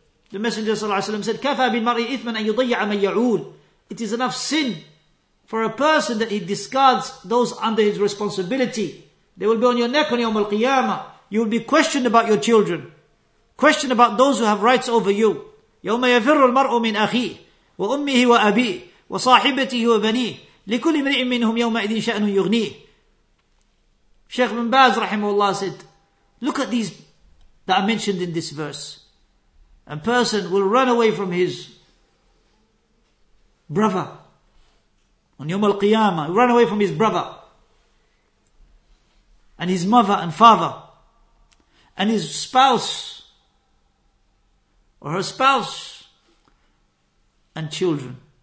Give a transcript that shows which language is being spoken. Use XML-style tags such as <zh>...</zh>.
<en>The Messenger said,</en> <ar>كَفَى بِالْمَرْءِ إِثْمًا أَنْ يُضَيَّعَ مَنْ يَعُولُ.</ar> <en>It is enough sin for a person that he discards those under his responsibility. They will be on your neck on Yawm al-Qiyamah. You will be questioned about your children. Questioned about those who have rights over you.</en> <ar>يوم يفر المرء من أخيه وأمه وأبيه وصاحبته وبنيه لكل امرئ منهم يومئذ شأن يغنيه.</ar> <en>Sheikh bin Baz rahimahullah said, look at these that are mentioned in this verse. A person will run away from his brother on Yawm al-Qiyamah. He will run away from his brother and his mother and father and his spouse or her spouse and children.</en>